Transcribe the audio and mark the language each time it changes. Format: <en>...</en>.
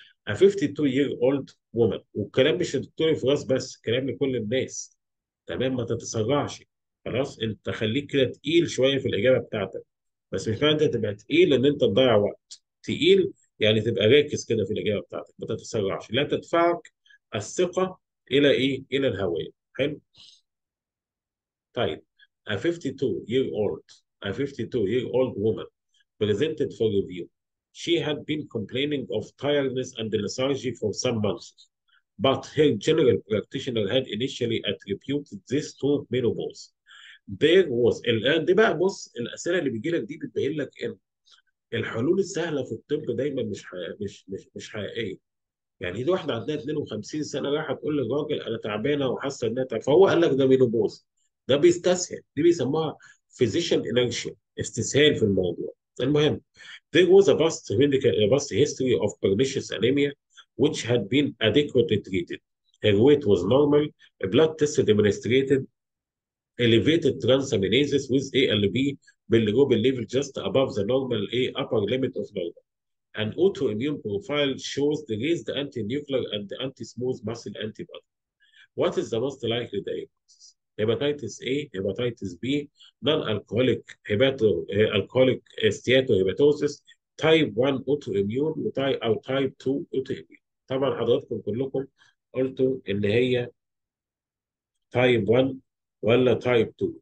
<en>A 52 year old woman،</en> <ar>والكلام مش لدكتور فراس بس، كلام لكل الناس. تمام؟ ما تتسرعش. خلاص؟ انت خليك كده تقيل شويه في الاجابه بتاعتك. بس مش معنى انت تبقى تقيل ان انت تضيع وقت. تقيل يعني تبقى راكز كده في الاجابه بتاعتك، ما تتسرعش. لا تدفعك الثقة إلى إيه؟ إلى الهوية. حلو؟ طيب،</ar> <en>a 52-year-old a 52-year-old woman presented for review. She had been complaining of tiredness and lethargy for some months, but her general practitioner had initially attributed this to menopause. There was</en> <ar>الآن دي بقى، بص الأسئلة اللي بيجي لك دي بتبين لك إن الحلول السهلة في الطب دايماً مش حقيقية. يعني دي واحدة عندها 52 سنة رايحة تقول للراجل أنا تعبانة وحاسة إنها تعبانة، فهو قال لك ده مينوبوز، ده بيستسهل، دي بيسموها فيزيشن انرشيا، استسهال في الموضوع. المهم،</ar> <en>there was a past medical history of pernicious anemia which had been adequately treated. Her weight was normal, a blood test demonstrated elevated transaminases with ALB bilirubin level just above the normal upper limit of normal. An autoimmune profile shows the raised anti-nuclear and the anti-smooth muscle antibody. What is the most likely diagnosis?</en> <ar>هيباتيتس اي، هيباتيتس بي، نون الكوليك هيباتو الكوليك استياتو هيباتوسس، تايب 1 اوتو اميون، وتايب او تايب 2 اوتو اميون. طبعا حضراتكم كلكم قلتوا ان هي تايب 1 ولا تايب 2.</ar>